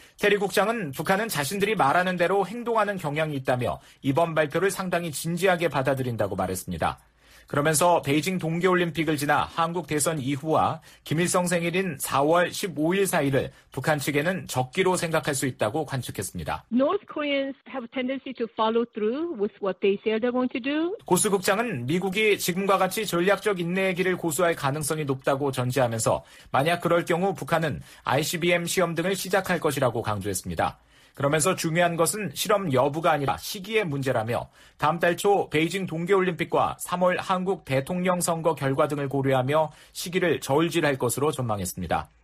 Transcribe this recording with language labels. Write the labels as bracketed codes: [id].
[ko] 테리 국장은 북한은 자신들이 말하는 대로 행동하는 경향이 있다며 이번 발표를 상당히 진지하게 받아들인다고 말했습니다. 그러면서 베이징 동계올림픽을 지나 한국 대선 이후와 김일성 생일인 4월 15일 사이를 북한 측에는 적기로 생각할 수 있다고 관측했습니다. [en] North Koreans have a tendency to follow through with what they say they're going to do. [ko] 고수 국장은 미국이 지금과 같이 전략적 인내의 길을 고수할 가능성이 높다고 전제하면서 만약 그럴 경우 북한은 ICBM 시험 등을 시작할 것이라고 강조했습니다. 그러면서 중요한 것은 실험 여부가 아니라 시기의 문제라며 다음 달 초 베이징 동계올림픽과 3월 한국 대통령 선거 결과 등을 고려하며 시기를 저울질할 것으로 전망했습니다.